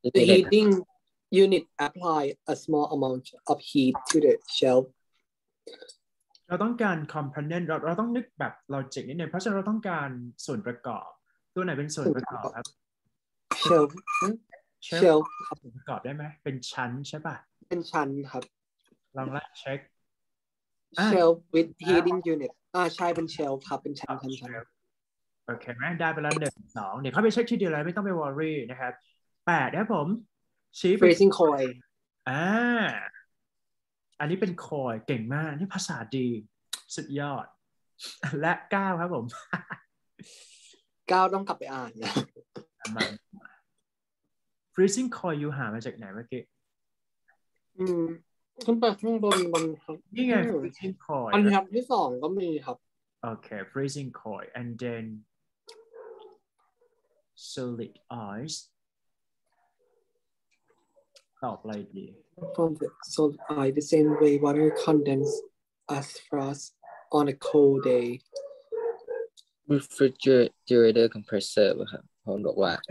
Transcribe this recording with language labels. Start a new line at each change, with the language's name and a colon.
English: the heating unit apply a small amount of heat to the shell
Thai: เราต้องการ component เราต้องนึกแบบ logic นิดนึงเพราะฉะนั้นเราต้องการส่วนประกอบตัวไหนเป็นส่วนประกอบครับ
English: shell
Thai: ครับส่วนประกอบได้ไหมเป็นชั้นใช่ป่ะ เป็นชั้นครับ ลองไล่เช็ค
English: shell with heating unit
Thai: ใช่เป็นเชลครับเป็นชั้น โอเคไหมได้ไปแล้ว1 2เดี๋ยวเข้าไปเช็คที่เดียวเลยไม่ต้องไปวอรี่นะครับ8ครับผม
English: ชีฟ freezing coil
Thai: อันนี้เป็น coil เก่งมากนี่ภาษาดีสุดยอดและ9ครับผม 9ต้องกลับไปอ่านนะ freezing coil อยู่หามาจากไหนเมื่อกี้ ขึ้นไปข้างบนบนครับ นี่ไง freezing coil อันครับที่สองก็มีครับ
English: โอเค freezing coil and then solid ice
Thai: ตอบอะไรดี
English: from the solid ice the same way water condenses as frost on a cold day
Thai: refrigerator compressor ครับผมบอกว่า